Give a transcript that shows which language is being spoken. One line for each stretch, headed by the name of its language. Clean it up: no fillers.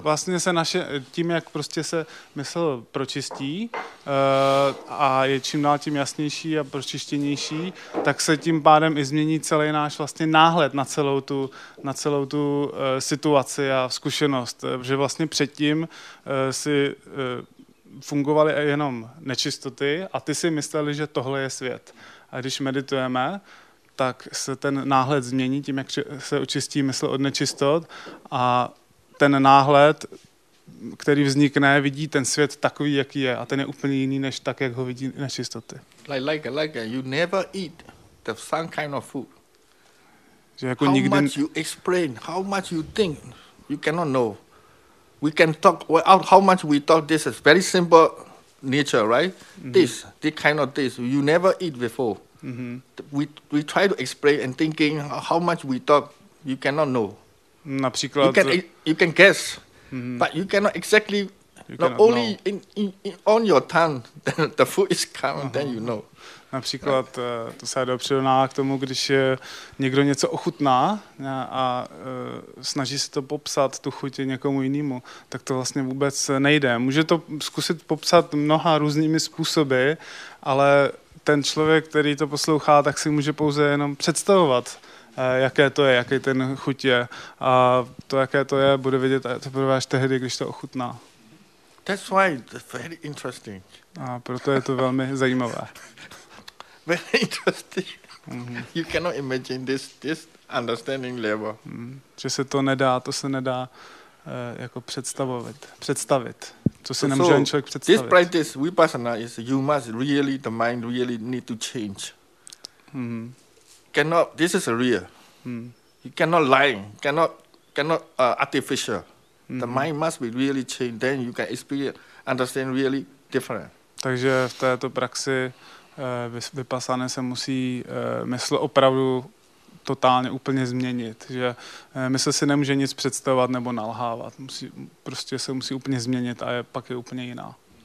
Czech: Vlastně se naše tím, jak prostě se mysl pročistí a je čím dál tím jasnější a pročištěnější, tak se tím pádem i změní celý náš vlastně náhled na celou tu situaci a zkušenost, že vlastně předtím si fungovaly jenom nečistoty a ty si mysleli, že tohle je svět. A když meditujeme, tak se ten náhled změní tím, jak se očistí mysl od nečistot a ten náhled, který vznikne, vidí ten svět takový, jaký je a ten je úplně jiný, než tak, jak ho vidí nečistoty.
English: Like, you never eat the same kind of food.
Czech: Že jako nikdy...
English: How much you explain, how much you think, you cannot know. We can talk, well, how much we talk, this is very simple nature, right? This kind of this, you never eat before. We try to explain and thinking how much we talk, you cannot know.
Czech: Například,
English: you can guess, but you cannot exactly. In on your tongue, the food is coming, then you know.
Czech: Například, to se dá přirovnávat k tomu, když někdo něco ochutná a snaží se to popsat, tu chuť někomu jinému, tak to vlastně vůbec nejde. Může to zkusit popsat mnoha různými způsoby, ale ten člověk, který to poslouchá, tak si může pouze jenom představovat, jaké to je, jaký ten chuť je. A to, jaké to je, bude vidět teprve až tehdy, když to ochutná.
English: That's why it's very interesting.
Czech: A proto je to velmi zajímavé.
English: Very interesting. You cannot imagine this understanding level.
Czech: Že se to nedá, to se nedá jako představit. To si nemůže ani člověk představit.
English: This practice, vipassana, is you must really, the mind really need to change. Cannot, this is real. You cannot lie, cannot artificial. The mind must be really changed, then you can experience, understand really different.
Czech: Takže v této praxi vipassana se musí mysl opravdu totálně úplně změnit, že mysl si nemůže nic představovat nebo nalhávat. Prostě se musí úplně změnit a pak je úplně jiná.